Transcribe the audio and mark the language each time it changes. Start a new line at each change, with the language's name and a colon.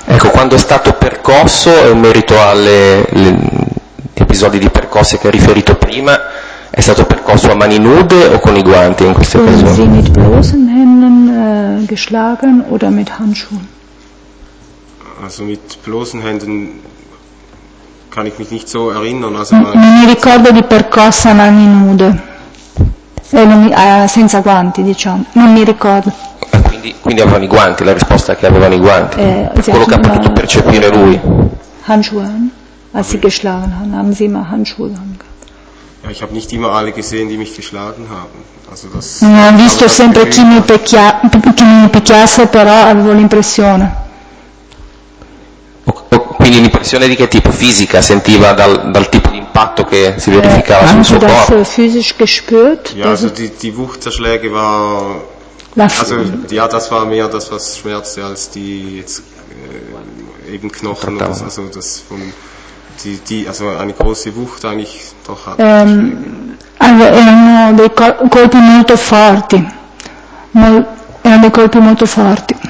Italian: Ecco, quando è stato percosso, in merito alle episodi di percosse che ha riferito prima, è stato percosso a mani nude o con i guanti in queste occasioni?
German: Sì, mit bloßen Händen geschlagen oder mit Handschuhen? Also mit bloßen Händen kann ich mich nicht so erinnern. Also
Italian: non mi ricordo di percosse a mani nude, senza guanti, diciamo, non mi ricordo. Quindi avevano i guanti, la risposta è che avevano i guanti, quello che ha potuto percepire lui.
German: Handschuhe, als sie geschlagen haben, haben sie immer Handschuhe angehabt. Ja, ich habe nicht immer alle gesehen, die mich geschlagen haben. Also das.
Italian: Non ho visto sempre chi mi picchiasse, però avevo l'impressione. Quindi l'impressione di che tipo? Fisica? Sentiva dal tipo di impatto che si verificava sul suo corpo?
German: Hast du das physisch gespürt? Ja, also die Wucht der Schläge war. Also ja, das war mehr das, was schmerzte, als die jetzt eben Knochen. Das, also das von die also eine große Wucht eigentlich doch hat.
Italian: Erano dei colpi molto forti. Erano dei colpi molto forti.